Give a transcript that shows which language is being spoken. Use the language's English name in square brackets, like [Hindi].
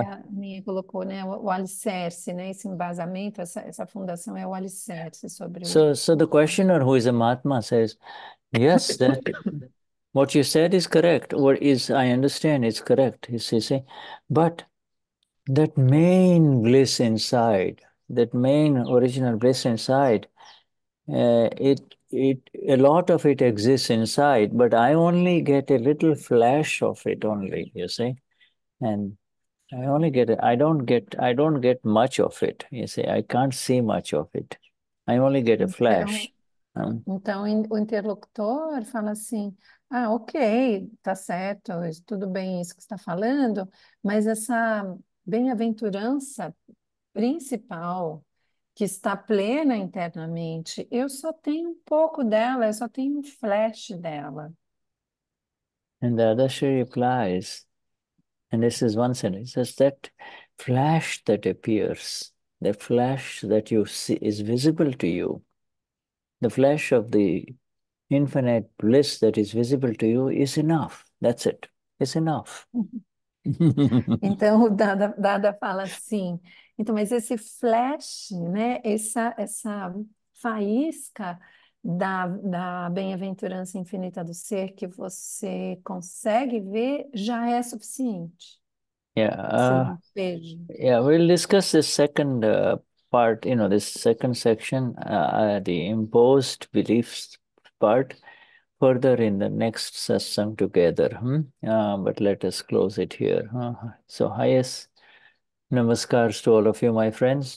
[Portuguese] A minha colocou, né, o alicerce, né, esse embasamento, essa fundação é o alicerce sobre o... [English] So the questioner, who is a Mahatma, says, yes, that... what you said is correct, or is, I understand, it's correct, you see, but... that main bliss inside, that main original bliss inside, a lot of it exists inside, but I only get a little flash of it only, you see, and I don't get much of it, you see, I can't see much of it, I only get a flash. [Portuguese] Então, o interlocutor fala assim, ah, ok, tá certo, tudo bem isso que você está falando, mas essa bem-aventurança principal, que está plena internamente, eu só tenho um pouco dela, eu só tenho um flash dela. [English] And the other she replies, and this is one sentence, says that flash that appears, the flash that you see is visible to you, the flash of the infinite bliss that is visible to you is enough. That's it. It's enough. [Portuguese] Então, o Dada fala assim, então, mas esse flash, né, essa faísca da bem-aventurança infinita do ser que você consegue ver já é suficiente. [English] We'll discuss the second part, you know, this second section, the imposed beliefs part, further in the next session together. But let us close it here. So, highest namaskars to all of you, my friends.